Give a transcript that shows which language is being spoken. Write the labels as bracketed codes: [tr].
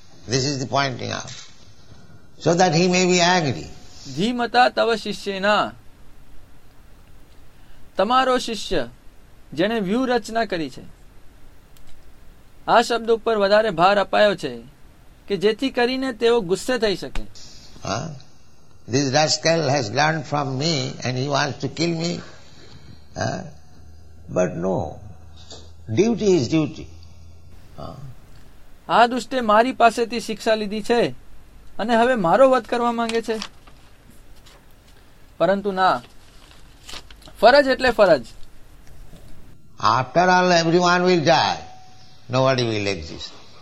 [en] This is the pointing out. So that he may be angry. [sa] ધીમતા તવ શિષ્યેના, [gu] તમારો શિષ્ય જેણે વ્યૂહરચના કરી છે. આ શબ્દ ઉપર વધારે ભાર અપાયો છે કે જેથી કરીને તેઓ ગુસ્સે થઈ શકે. [en] This rascal has learned from me and he wants to kill me. But no, duty is duty. [gu] આ દુષ્ટે મારી પાસેથી શિક્ષા લીધી છે અને હવે મારો વધ કરવા માંગે છે. પરંતુ ના, ફરજ એટલે ફરજ. [en] After all everyone will die, nobody will exist.